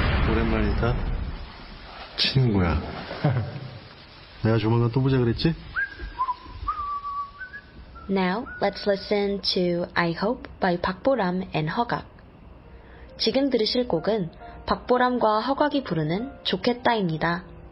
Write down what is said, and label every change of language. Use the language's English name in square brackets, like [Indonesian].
[Korean] 오랜만이다. 친구야. 내가 조만간 또 보자 그랬지? [English] Now, let's listen to I Hope by 박보람 and 허각. [Korean] 지금 들으실 곡은 박보람과 허각이 부르는 좋겠다입니다.